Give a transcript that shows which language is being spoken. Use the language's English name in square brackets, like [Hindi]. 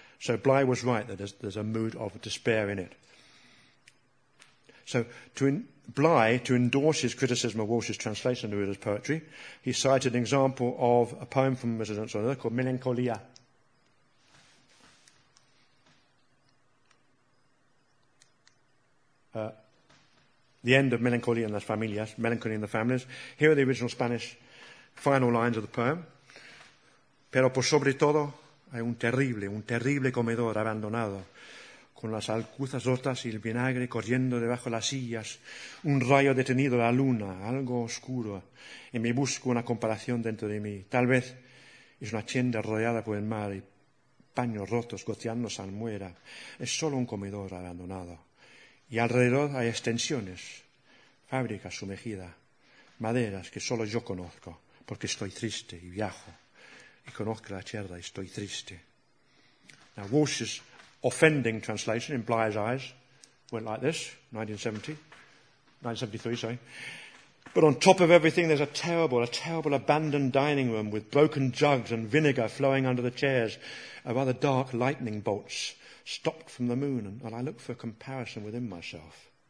[English] So Bligh was right that there's a mood of despair in it. So to endorse his criticism of Walsh's translation of Neruda's poetry, he cited an example of a poem from Residents on Earth called Melancholia. The end of Melancholia en las Familias, Melancholy in the Families. Here are the original Spanish final lines of the poem. [Spanish] Pero por sobre todo hay un terrible comedor abandonado, con las alcuzas rotas y el vinagre corriendo debajo de las sillas, un rayo detenido, la luna, algo oscuro, y me busco una comparación dentro de mí. Tal vez es una tienda rodeada por el mar y paños rotos goteando salmuera. Es solo un comedor abandonado. Y alrededor hay extensiones, fábricas sumergidas, maderas que solo yo conozco, porque estoy triste y viajo, y conozco la tierra y estoy triste. [English] Now, Walsh's offending translation in Bligh's eyes went like this, 1973. But on top of everything, there's a terrible abandoned dining room with broken jugs and vinegar flowing under the chairs, and rather dark lightning bolts stopped from the moon, and I look for a comparison within myself.